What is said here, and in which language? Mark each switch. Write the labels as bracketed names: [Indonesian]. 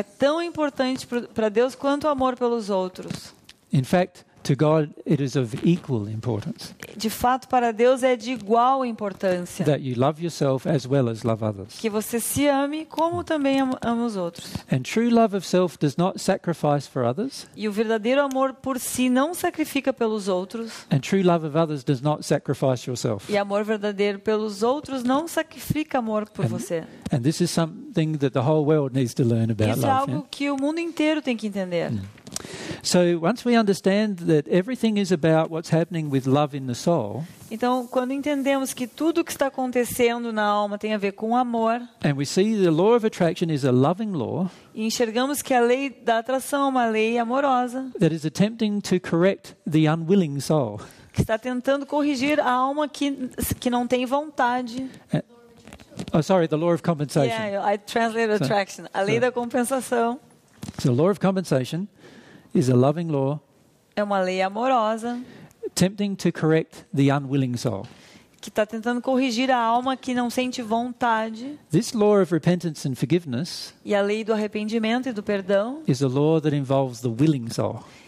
[Portuguese] É tão importante para Deus quanto o amor pelos outros. [English] In fact, to God, it is of equal importance. [Portuguese] De fato, para Deus é de igual importância. [English] That you love yourself as well as love others. [Portuguese] Que você se ame como também ama os outros. [English] And true love of self does not sacrifice for others. [Portuguese] E o verdadeiro amor por si não sacrifica pelos outros. [English] And true love of others does not sacrifice yourself. [Portuguese] E amor verdadeiro pelos outros não sacrifica amor por você. [English] And this is something that the whole world needs to learn about love. [Portuguese] Isso é algo que o mundo inteiro tem que entender. [English] So once we understand that everything is about what's happening with love in the soul. [Portuguese] Então, quando entendemos que tudo o que está acontecendo na alma tem a ver com amor. [English] And we see the law of attraction is a loving law. [Portuguese] E enxergamos que a lei da atração é uma lei amorosa. [English] That is attempting to correct the unwilling soul. [Portuguese] Que está tentando corrigir a alma que não tem vontade. [English] The law of compensation. Yeah, I translated attraction. [Portuguese] A lei da compensação. [English] The law of compensation is a loving law. [Portuguese] É uma lei amorosa. [English] Attempting to correct the unwilling soul. [Portuguese] Que está tentando corrigir a alma que não sente vontade. [English] This law of repentance and forgiveness. [Portuguese] E a lei do arrependimento e do perdão. [English] Is a law that involves the willing soul.